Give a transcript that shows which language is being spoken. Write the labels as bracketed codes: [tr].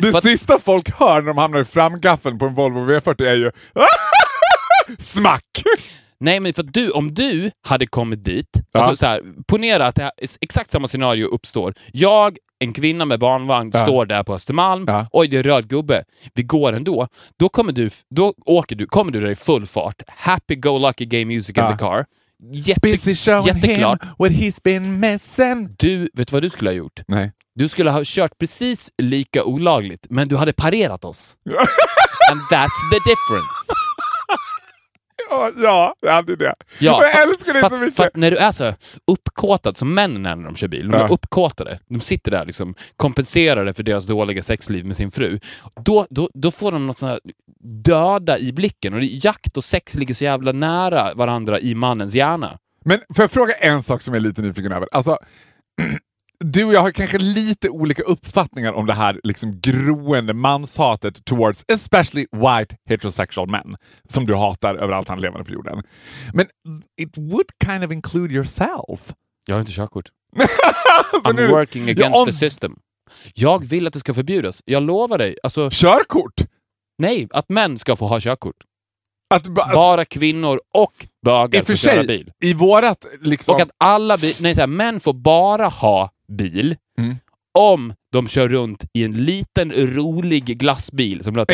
[sv] det sista folk hör när de hamnar i framgaffeln på en Volvo V40 är ju smack. Nej, men för att du, om du hade kommit dit, ja, alltså så här, ponera att det här, exakt samma scenario uppstår. Jag, en kvinna med barnvagn, ja, står där på Östermalm. Ja. Oj, det är röd gubbe. Vi går ändå. Då kommer du, då åker du, kommer du där i full fart. [en] Happy go lucky gay music, ja, in the car. Busy showing him what he's been missing. [sv] Du, vet vad du skulle ha gjort? Nej. Du skulle ha kört precis lika olagligt, men du hade parerat oss. [en] And that's the difference. [sv] Ja, det hade det. Ja, jag älskar det så mycket. För när du är så uppkåtad som männen när de kör bil, de är, ja, uppkåtade, de sitter där liksom kompenserade för deras dåliga sexliv med sin fru, då får de något sån här döda i blicken, och jakt och sex ligger så jävla nära varandra i mannens hjärna. Men får jag fråga en sak som jag är lite nyfiken över? Alltså, du och jag har kanske lite olika uppfattningar om det här liksom groende manshatet [en] towards especially white heterosexual men [sv] som du hatar överallt han lever på jorden. [en] Men it would kind of include yourself. [sv] Jag har inte körkort. [en] I'm working against the system. [sv] Jag vill att det ska förbjudas. Jag lovar dig. Alltså, körkort? Nej, att män ska få ha körkort. Att bara kvinnor och bögar i får köra sig, bil. I vårat liksom... Och att alla... Nej, så här, män får bara ha bil, mm, om de kör runt i en liten rolig glassbil som låter